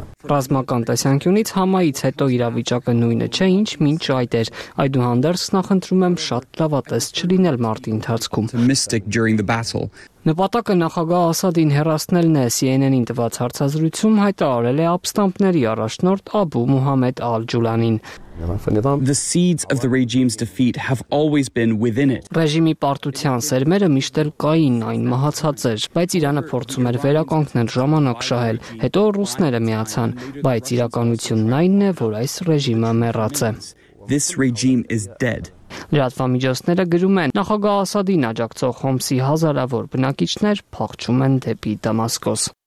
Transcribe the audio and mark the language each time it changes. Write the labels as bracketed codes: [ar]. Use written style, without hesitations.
[hy] Ռազմական տեսանկյունից Համայից հետո իրավիճակը նույնը չէ, ինչ մինչ այդ էր։ Այդուհանդերձ նախընտրում եմ շատ լավատես չլինել մարտի ընթացքում։ Նպատակը նախագահ Ասադին հերաշնելն է, CNN-ին տված հարցազրույցում հայտարարել է Աբստամբների առաջնորդ Աբու Մուհամեդ Ալ-Ջուլանին։ [en] The seeds of the regime's defeat have always been within it. [hy] Ռեժիմի պարտության սերմերը միշտ էլ կային, այն մահացած էր, բայց Իրանը փորձում էր վերականգնել ժամանակ շահել, հետո ռուսները միացան, բայց իրականությունն այն է, որ այս ռեժիմը մեռած է։ [en] This regime is dead. [hy] Լրատվամիջոցները գրում են, նախագահ Ասադին աջակցող Հոմսի հազարավոր բնակիչներ փախչում են դեպի Դամասկոս։